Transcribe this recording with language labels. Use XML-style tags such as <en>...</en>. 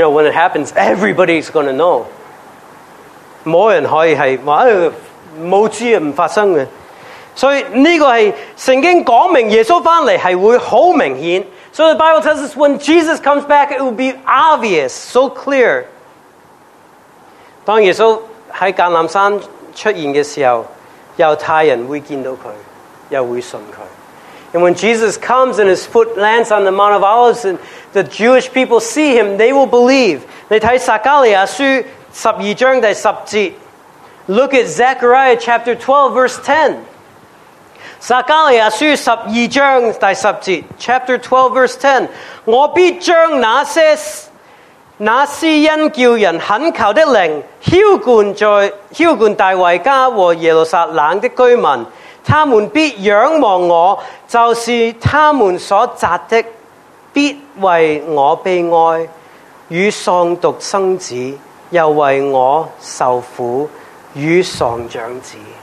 <en>know, when it happens, everybody's going to know.</en> <zh>沒人可以是,沒知不發生的。所以這個是聖經說明耶穌回來是會很明顯。 So</zh> <en>the Bible tells us when Jesus comes back, it will be obvious, so clear.</en> <zh>当耶稣在橄榄山出现的时候,犹太人会见到他,又会信他。</zh> <en>And when Jesus comes and his foot lands on the Mount of Olives, and the Jewish people see him, they will believe.</en> <zh>你看撒加利亚书12章第10节,</zh> <en>look at Zechariah chapter 12, verse 10.</en> <zh>撒加利亚书12章第10节, chapter 12, verse 10. 我必将那些那是因叫人恳求的灵浇灌在浇灌大卫家和耶路撒冷的居民，他们必仰望我，就是他们所扎的必为我悲哀，与丧独生子，又为我受苦与丧长子。</zh>